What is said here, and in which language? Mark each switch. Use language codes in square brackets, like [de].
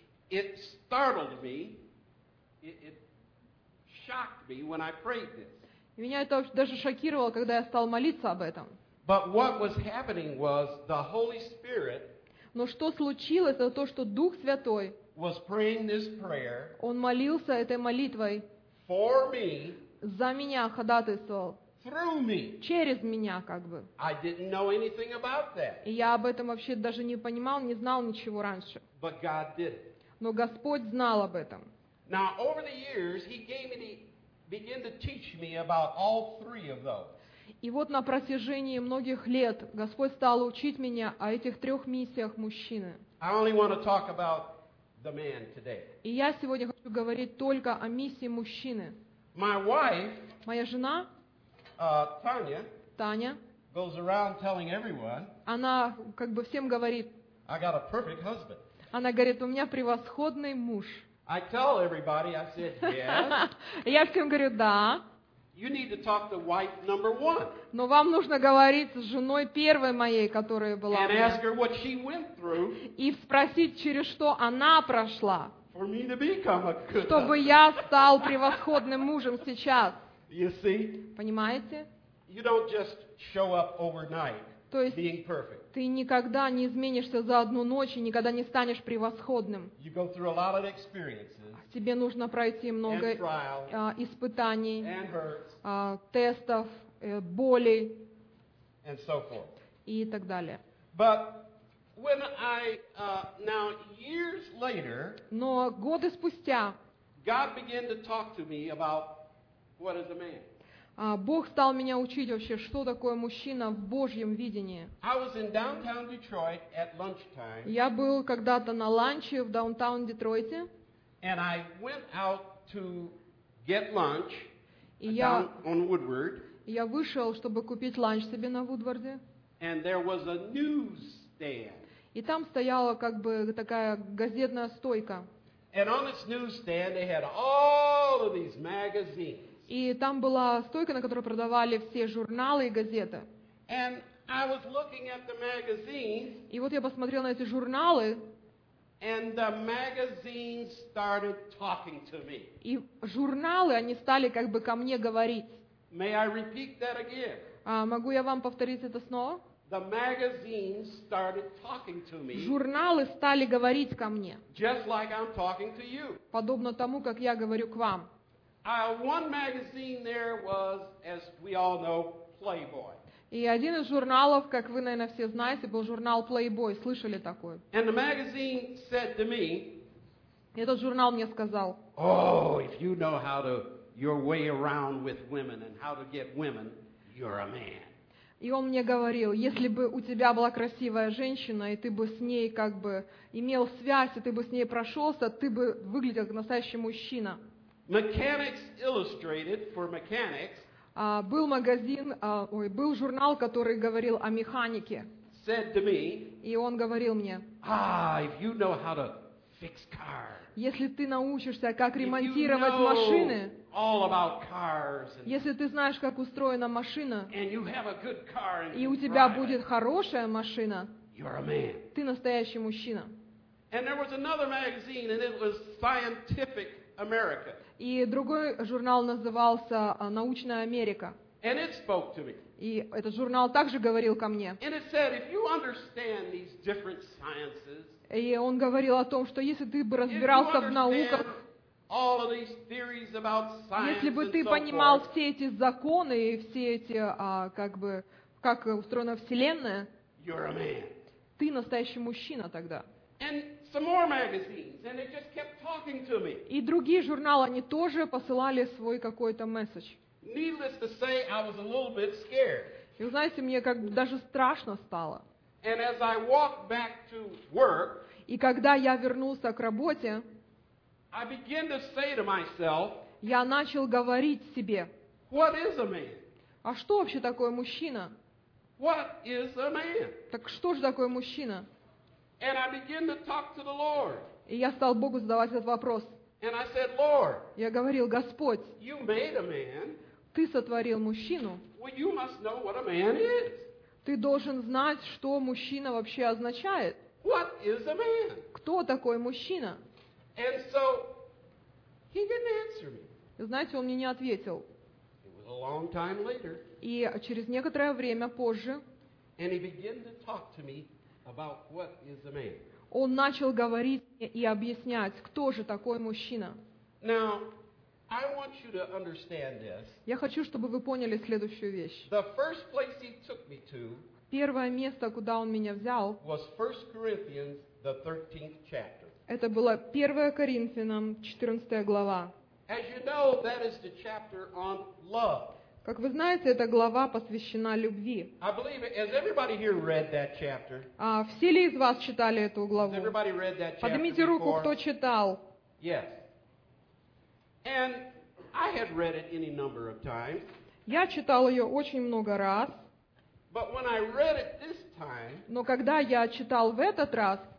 [en] It startled me. It shocked me when I prayed this. [ru] И меня это даже шокировало, когда я стал молиться об этом. [en] But what was happening was the Holy Spirit. [ru] Но что случилось, это то, что Дух Святой. [en] Was praying this prayer. [ru] Он молился этой молитвой. [en] For me. [ru] За меня ходатайствовал. [en] Through me. [ru] Через меня, как бы. [en] I didn't know anything about that. [ru] И я об этом вообще даже не понимал, не знал ничего раньше. [en] But God did it. [ru] Но Господь знал об этом. [en] Now over the years, He gave me the begin to teach me about all three of those. [ru] И вот на протяжении многих лет Господь стал учить меня о этих трех миссиях мужчины. [en] I only want to talk about the man today. [ru] И я сегодня хочу говорить только о миссии мужчины. [en] My wife, [ru] моя жена, [en] Tanya, [ru] Таня, [en] goes around telling everyone, [ru] она как бы всем говорит, [en] I got a perfect husband. [ru] Она говорит, у меня превосходный муж. [en] I tell everybody, I said, yes. [ru] Я всем говорю, да. [en] You need to talk to wife number one. [ru] Но вам нужно говорить с женой первой моей, которая была. [en] And ask her what she went through. [ru] И спросить, через что она прошла. [en] For me to become a good. [ru] Чтобы я стал превосходным мужем сейчас. [en] You see? [ru] Понимаете? [en] You don't just show up overnight. [ru] То есть [en] being perfect. [ru] Ты никогда не изменишься за одну ночь и никогда не станешь превосходным. [en] You go through a lot of experiences. [ru] Тебе нужно пройти много [en] and trial, [ru] испытаний, [en] and hurts, [ru] тестов, болей [en] and so forth. [ru] И так далее. [en] But when I, now years later, [ru] но годы спустя [en] God began to talk to me about what is a man. [ru] Бог стал меня учить вообще, что такое мужчина в Божьем видении. [en] I was in downtown Detroit at lunchtime. [ru] Я был когда-то на ланче в даунтаун Детройте. [en] And I went out to get lunch. [ru] И я [en] on Woodward. [ru] Я вышел, чтобы купить ланч себе на Вудварде. [en] And there was a newsstand. [ru] И там стояла как бы такая газетная стойка. [en] And on this newsstand they had all of these magazines. [ru] И там была стойка, на которой продавали все журналы и газеты. [en] And I was looking at the magazines. [ru] И вот я посмотрел на эти журналы. [en] And the magazines started talking to me. [ru] И журналы, они стали как бы ко мне говорить. [en] May I repeat that again? [ru] Могу я вам повторить это снова? [en] The magazines started talking to me. [ru] Журналы стали говорить ко мне. [en] Just like I'm talking to you. [ru] Подобно тому, как я говорю к вам. [en] One magazine there was, as we all know, Playboy. [ru] И один из журналов, как вы, наверное, все знаете, был журнал Playboy. Слышали такой? [en] And the magazine said to me. [ru] Этот журнал мне сказал. [en] Oh, if you know how to your way around with women and how to get women, you're a man. [ru] И он мне говорил, если бы у тебя была красивая женщина, и ты бы с ней как бы имел связь, и ты бы с ней прошелся, ты бы выглядел как настоящий мужчина. [en] Mechanics Illustrated for Mechanics. [ru] Был магазин, был журнал, который говорил о механике. [en] Said to me. [ru] И он говорил мне. [en] If you know how to fix cars. [ru] Если ты научишься, как ремонтировать машины. [en] All about cars. [ru] Если ты знаешь, как устроена машина. [en] And you have a good car. [ru] И у тебя будет хорошая машина. [en] You're a man. [ru] Ты настоящий мужчина. [en] And there was another magazine, and it was Scientific America. [ru] И другой журнал назывался «Научная Америка». [en] And it spoke to me. [ru] И этот журнал также говорил ко мне. [en] And it said, if you understand these different sciences, [ru] и он говорил о том, что если ты бы разбирался в науках, [en] all of these theories about science, [ru] если бы ты понимал [en] so forth, [ru] все эти законы и все эти, как бы, как устроена Вселенная, [en] you're a man. [ru] Ты настоящий мужчина тогда. [en] And some more magazines, and they just kept talking to me. [ru] И другие журналы, они тоже посылали свой какой-то месседж. [en] Needless to say, I was a little bit scared. [ru] И знаете, мне как бы даже страшно стало. [en] And as I walked back to work, [ru] и когда я вернулся к работе, [en] I began to say to myself, [ru] я начал говорить себе, [en] what is a man? [ru] А что вообще такое мужчина? [en] What is a man? [ru] Так что же такое мужчина? [en] And I began to talk to the Lord. [ru] И я стал Богу задавать этот вопрос. [en] And I said, Lord, [ru] я говорил, Господь, [en] you made a man. [ru] Ты сотворил мужчину. [en] Well, you must know what a man is. [ru] Ты должен знать, что мужчина вообще означает. [en] What is a man? [ru] Кто такой мужчина? [en] And so, he didn't answer me. [ru] Знаете, он мне не ответил. [en] It was a long time later. [ru] И через некоторое время позже. [en] And he began to talk to me about what is a man. [ru] Он начал говорить мне и объяснять, кто же такой мужчина. [en] Now, I want you to understand this. [ru] Я хочу, чтобы вы поняли следующую вещь. [en] The first place he took me to. [ru] Первое место, куда он меня взял. [en] Was 1 Corinthians, the 13th chapter. [ru] Это было 1 Коринфянам, 14 глава. [en] As you know, that is the chapter on love. [ru] Как вы знаете, эта глава посвящена любви. [en] I believe, has everybody here read that chapter? [ru] Все ли из вас читали эту главу? [en] Has everybody read that chapter? [ru] Поднимите руку, кто читал. [en] Yes. And I had read it any number of times. [ru] Я читал ее очень много раз. [en] But when I read it this time, [ru] но когда я читал в этот раз,